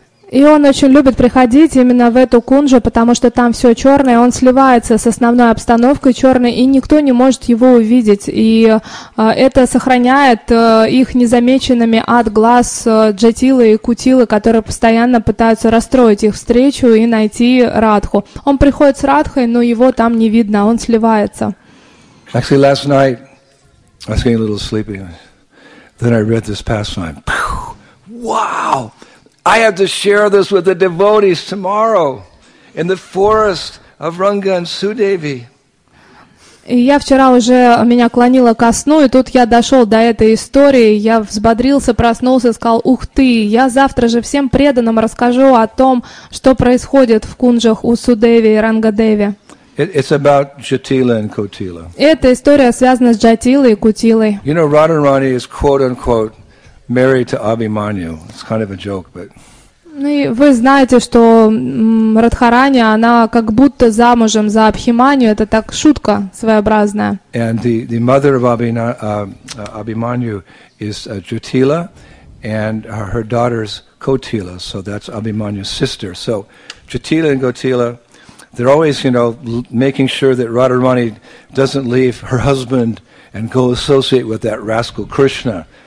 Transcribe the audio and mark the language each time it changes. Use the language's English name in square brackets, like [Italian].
[Russian] И он очень любит приходить именно в эту кунжу, потому что там все черное, он сливается с основной обстановкой черной, и никто не может его увидеть. И это сохраняет их незамеченными от глаз Джатилы и Кутилы, которые постоянно пытаются расстроить их встречу и найти Радху. Он приходит с Радхой, но его там не видно, он сливается. [English] Actually, last night, I was getting a little sleepy. Then I read this pastime. Wow! I have to share this with the devotees tomorrow in the forest of Ranga and Sudevi. [Russian] Я вчера уже меня клонило ко сну, и тут я дошел до этой истории. Я взбодрился, проснулся, сказал: «Ух ты! Я завтра же всем преданным расскажу о том, что происходит в кунжах у Судеви и Рангадеви». [English] It's about Jatila and Kutila. [Russian] Эта история связана с Джатилой и Кутилой. [English] You know, Radharani is quote unquote married to Abhimanyu. It's kind of a joke, but. [Russian] Ну и вы знаете, что Радхарани, она как будто замужем за Абхиманию. Это так шутка своеобразная. [English] And the mother of Abhimanyu is Jatila, and her daughter's Kotila. So that's Abhimanyu's sister. So Jatila and Kotila they're always, you know, making sure that Radharani doesn't leave her husband and go associate with that rascal Krishna.